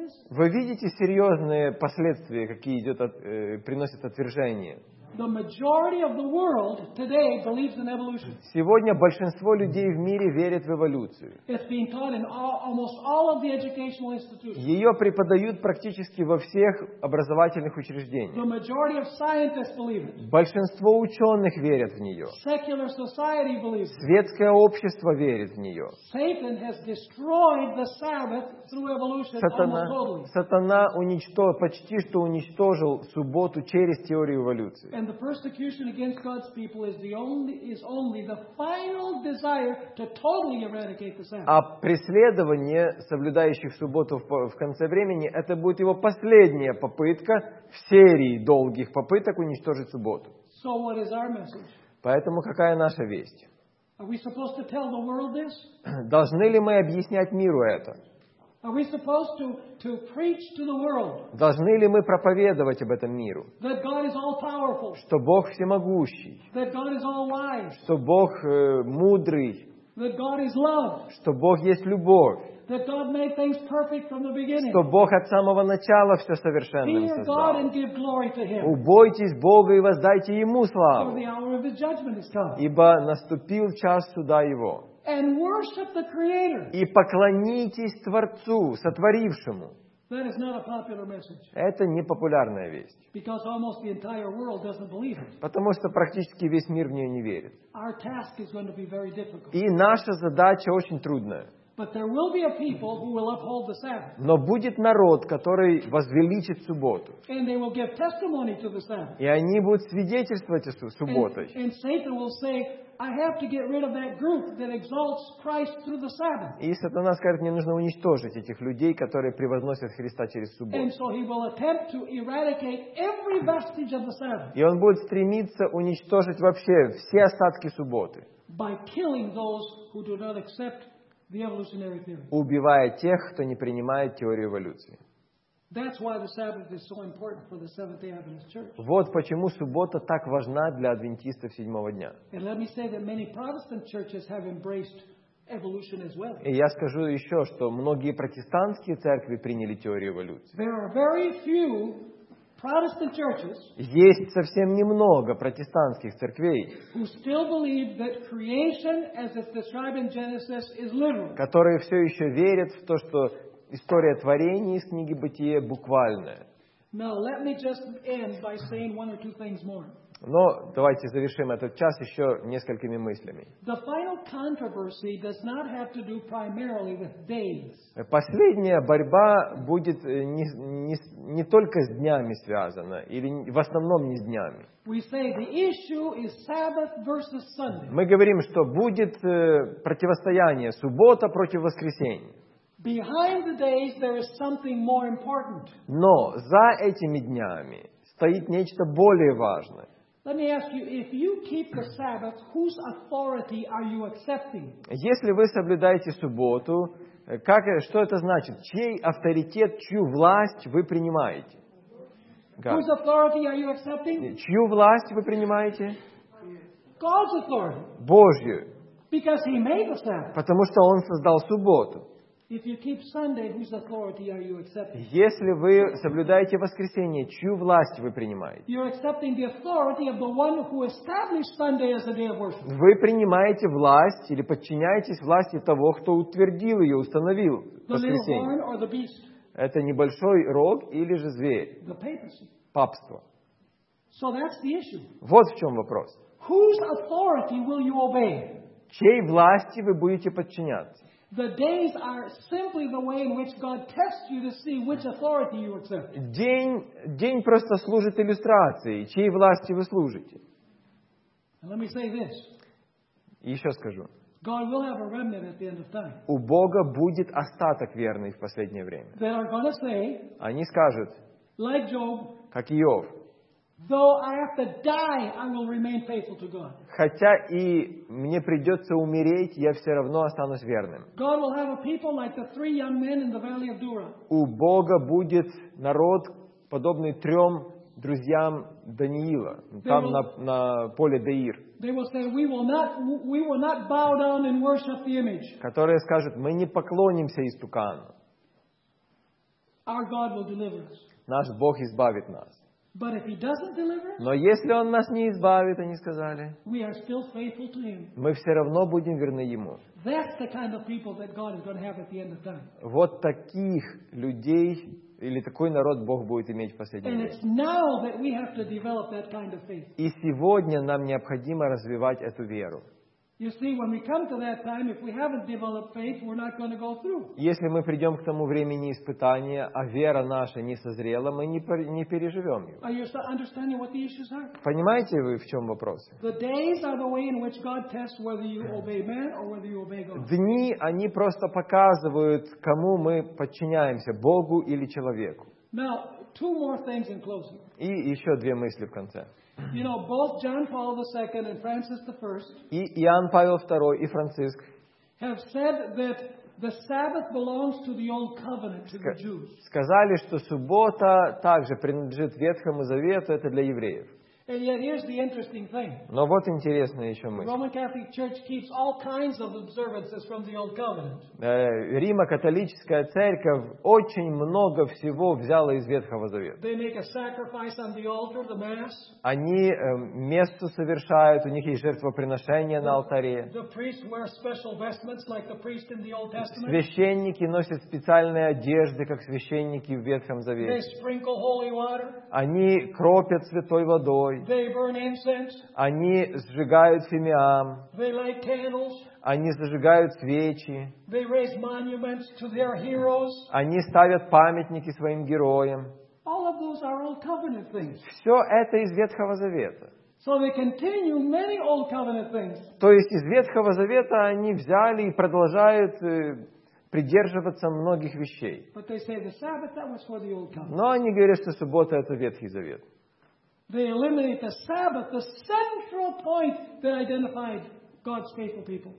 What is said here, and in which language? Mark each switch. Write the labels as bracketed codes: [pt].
[ru] Вы видите серьезные последствия, какие идет от, приносит отвержение? [en] The majority of the world today believes in evolution. [ru] Сегодня большинство людей в мире верит в эволюцию. [en] It's being taught in almost all of the educational institutions. [ru] Ее преподают практически во всех образовательных учреждениях. [en] The majority of scientists believe it. [ru] Большинство ученых верят в нее. [en] Secular society believes it. [ru] Светское общество верит в нее. [en] Satan has destroyed the Sabbath through evolution almost totally. [ru] Сатана уничтожил, почти что уничтожил субботу через теорию эволюции. [en] And the persecution against God's people is only the final desire to totally eradicate the Sabbath. [ru] А преследование соблюдающих субботу в конце времени это будет его последняя попытка в серии долгих попыток уничтожить субботу. [en] So what is our message? [ru] Поэтому какая наша весть? [en] Are we supposed to tell the world this? [ru] Должны ли мы объяснять миру это? [en] Are we supposed to preach to the world? [ru] Должны ли мы проповедовать об этом миру? [en] That God is all powerful. [ru] Что Бог всемогущий. [en] That God is all wise. [ru] Что Бог мудрый. [en] That God is love. [ru] Что Бог есть любовь. [en] That God made things perfect from the beginning. [ru] Что Бог от самого начала все совершенным создал. [en] Fear God and give glory to Him. [ru] Убойтесь Бога и воздайте Ему славу. [en] For the hour of His judgment is come. [ru] Ибо наступил час суда Его. [en] And worship the Creator. [ru] И поклонитесь Творцу, сотворившему. [en] That is not a popular message. [ru] Это не популярная весть. [en] Because almost the entire world doesn't believe it. [ru] Потому что практически весь мир в нее не верит. [en] Our task is going to be very difficult. [ru] И наша задача очень трудная. [en] But there will be a people who will uphold the Sabbath. [ru] Но будет народ, который возвеличит субботу. [en] And they will give testimony to the Sabbath. [ru] И они будут свидетельствовать о субботе. [en] And Satan will say, I have to get rid of that group that exalts Christ through the Sabbath. [ru] И сатана скажет, мне нужно уничтожить этих людей, которые превозносят Христа через субботу. [en] And so he will attempt to eradicate every vestige of the Sabbath. [ru] И он будет стремиться уничтожить вообще все остатки субботы. [en] By killing those who do not accept the evolutionary theory. [ru] Убивая тех, кто не принимает теорию эволюции. [en] That's why the Sabbath is so important for the Seventh-day Adventist Church. [ru] Вот почему суббота так важна для адвентистов седьмого дня. [en] And let me say that many Protestant churches have embraced evolution as well. [ru] И я скажу еще, что многие протестантские церкви приняли теорию эволюции. [en] There are very few Protestant churches. [ru] Есть совсем немного протестантских церквей, [en] who still believe that creation, as it's described in Genesis, is literal. [ru] Которые все еще верят в то, что история творения из книги Бытия буквальная. [en] Now let me just end by saying one or two things more. [ru] Но давайте завершим этот час еще несколькими мыслями. [en] The final controversy does not have to do primarily with days. [ru] Последняя борьба будет не только с днями связана, или в основном не с днями. [en] We say the issue is Sabbath versus Sunday. [ru] Мы говорим, что будет противостояние суббота против воскресенья. [en] Behind the days there is something more important. [ru] Но за этими днями стоит нечто более важное. [en] Let me ask you, if you keep the Sabbath, whose authority are you accepting? [ru] Если вы соблюдаете субботу, как, что это значит? Чей авторитет, чью власть вы принимаете? [en] God. Whose authority are you accepting? [ru] Чью власть вы принимаете? [en] God's authority. [ru] Божью. [en] Because He made the Sabbath. [ru] Потому что Он создал субботу. [en] If you keep Sunday, whose authority are you accepting? [ru] Если вы соблюдаете воскресенье, чью власть вы принимаете? [en] You're accepting the authority of the one who established Sunday as a day of worship. [ru] Вы принимаете власть или подчиняетесь власти того, кто утвердил ее, установил воскресенье. [en] The little horn or the beast. [ru] Это небольшой рог или же зверь? [en] The papacy. [ru] Папство. [en] So that's the issue. [ru] Вот в чем вопрос. [en] Whose authority will you obey? [ru] Чьей власти вы будете подчиняться? [en] The days are simply the way in which God tests you to see which authority you accept. [ru] День просто служит иллюстрацией, чьей власти вы служите. [en] And let me say this. [ru] Еще скажу. [en] God will have a remnant at the end of time. [ru] У Бога будет остаток верный в последнее время. [en] They are going to say. [ru] Они скажут. [en] Like Job. [ru] Как Иов. [en] Though I have to die, I will remain faithful to God. [ru] Хотя и мне придется умереть, я все равно останусь верным. [en] God will have a people like the three young men in the valley of Dura. [ru] У Бога будет народ, подобный трем друзьям Даниила, там на поле Деир. [en] They will say, we will not bow down and worship the image. [ru] Которые скажут, мы не поклонимся истукану. [en] Our God will deliver us. [ru] Наш Бог избавит нас. [en] But if he doesn't deliver, [ru] но если он нас не избавит, они сказали, [en] we are still faithful to him. [ru] Мы все равно будем верны ему. [en] That's the kind of people that God is going to have at the end of time. [ru] Вот таких людей или такой народ Бог будет иметь в последний день. [en] And it's now that we have to develop that kind of faith. [ru] И сегодня нам необходимо развивать эту веру. [en] You see, when we come to that time, if we haven't developed faith, we're not going to go through. [ru] Если мы придем к тому времени испытания, а вера наша не созрела, мы не переживем ее. [en] Are you understanding what the issues are? [ru] Понимаете вы, в чем вопрос? [en] The days are the way in which God tests whether you obey man or whether you obey God. [ru] Дни, они просто показывают, кому мы подчиняемся, Богу или человеку. [en] Now, two more things in closing. [ru] И еще две мысли в конце. [en] You know, both John Paul II and Francis I. [ru] И Иоанн Павел II и Франциск [en] have said that the Sabbath belongs to the old covenant to the Jews. [ru] Сказали, что суббота также принадлежит Ветхому Завету, это для евреев. [en] And yet here's the interesting thing. [ru] Но вот интересная еще мысль. [en] Roman Catholic Church keeps all kinds of observances from the old covenant. [ru] Римо-католическая церковь очень много всего взяла из Ветхого Завета. [en] They make a sacrifice on the altar, the mass. [ru] Они мессу совершают, у них есть жертвоприношение на алтаре. [en] The priests wear special vestments like the priest in the Old Testament. [ru] Священники носят специальные одежды, как священники в Ветхом Завете. [en] They sprinkle holy water. [ru] Они кропят святой водой. [en] They burn incense. [ru] Они сжигают фимиам. [en] They light candles. [ru] Они зажигают свечи. [en] They raise monuments to their heroes. [ru] Они ставят памятники своим героям. [en] All of those are old covenant things. [ru] Все это из Ветхого Завета. [en] So they continue many old covenant things. [ru] То есть из Ветхого Завета они взяли и продолжают придерживаться многих вещей. [en] But they say the Sabbath, that was for the old covenant. [ru] Но они говорят, что суббота это Ветхий Завет. [en] They eliminate the Sabbath, the central point that identified God's faithful people.